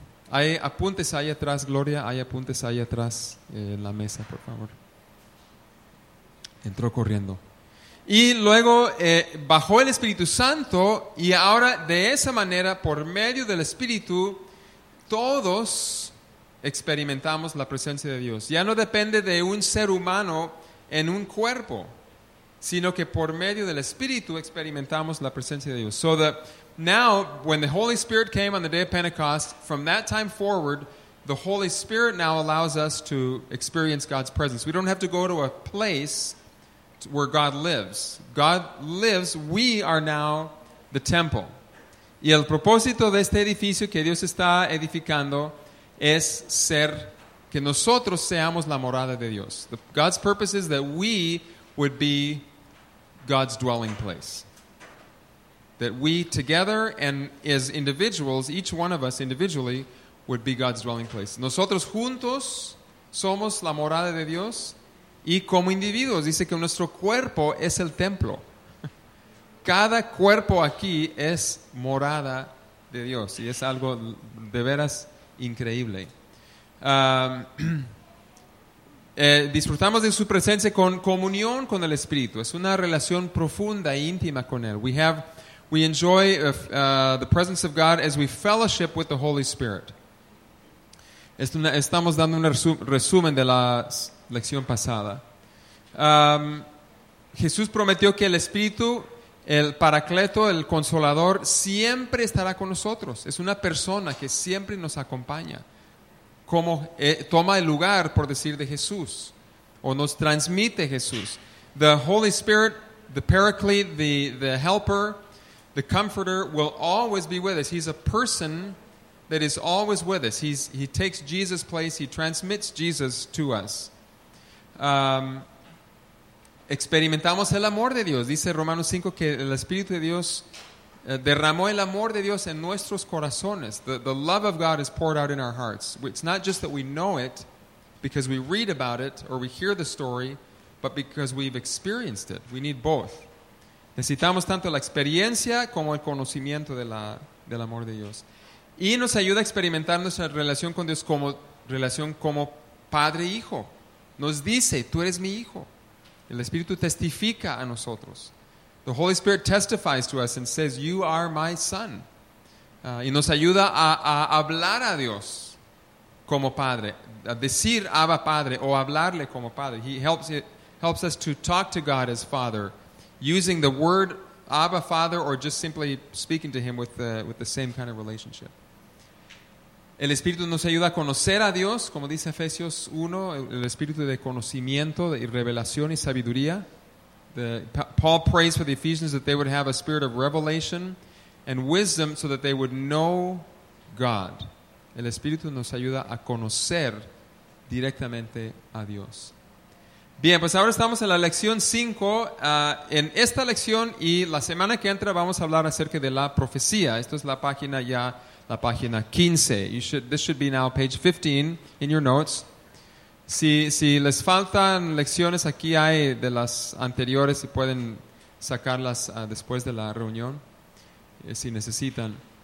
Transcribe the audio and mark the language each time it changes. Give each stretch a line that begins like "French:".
Spanish: Hay apuntes ahí atrás, Gloria, hay apuntes ahí atrás en la mesa, por favor. Entró corriendo. Y luego bajó el Espíritu Santo, y ahora de esa manera, por medio del Espíritu, todos experimentamos la presencia de Dios. Ya no depende de un ser humano en un cuerpo, sino que por medio del Espíritu experimentamos la presencia de Dios.
English: So that now, when the Holy Spirit came on the day of Pentecost, from that time forward, the Holy Spirit now allows us to experience God's presence. We don't have to go to a place where God lives. God lives, we are now the temple.
Spanish: Y el propósito de este edificio que Dios está edificando es ser, que nosotros seamos la morada de Dios.
English: God's purpose is that we would be God's dwelling place. That we together and as individuals, each one of us individually, would be God's dwelling place.
Spanish: Nosotros juntos somos la morada de Dios, y como individuos, dice que nuestro cuerpo es el templo. Cada cuerpo aquí es morada de Dios, y es algo de veras increíble. Disfrutamos de su presencia con comunión con el Espíritu. Es una relación profunda e íntima con él.
English: We enjoy the presence of God as we fellowship with the Holy Spirit.
Spanish: Estamos dando un resumen de la lección pasada. Jesús prometió que el Espíritu, el Paracleto, el Consolador, siempre estará con nosotros. Es una persona que siempre nos acompaña. Como toma el lugar, por decir, de Jesús. O nos transmite Jesús.
English: The Holy Spirit, the Paraclete, the Helper, the Comforter, will always be with us. He's a person that is always with us. He takes Jesus' place. He transmits Jesus to us.
Spanish: Experimentamos el amor de Dios. Dice Romanos 5 que el Espíritu de Dios derramó el amor de Dios en nuestros corazones.
English: The love of God is poured out in our hearts. It's not just that we know it because we read about it or we hear the story, but because we've experienced it. We need both.
Spanish: Necesitamos tanto la experiencia como el conocimiento del amor de Dios. Y nos ayuda a experimentar nuestra relación con Dios como relación como padre e hijo. Nos dice, tú eres mi hijo. El Espíritu testifica a nosotros. The Holy Spirit testifies to us and says, you are my son. Y nos ayuda a hablar a Dios como padre. A decir Abba Padre o hablarle como padre.
English: He helps us to talk to God as Father, using the word Abba Father or just simply speaking to him with the same kind of relationship.
Spanish: El Espíritu nos ayuda a conocer a Dios, como dice Efesios 1, el Espíritu de conocimiento y revelación y sabiduría.
English: Paul prays for the Ephesians that they would have a spirit of revelation and wisdom so that they would know God.
Spanish: El Espíritu nos ayuda a conocer directamente a Dios. Bien, pues ahora estamos en la lección 5. En esta lección y la semana que entra vamos a hablar acerca de la profecía. Esto es la página 15.
English: This should be now page 15 in your notes.
Spanish: Si les faltan lecciones, aquí hay de las anteriores y pueden sacarlas después de la reunión, si necesitan.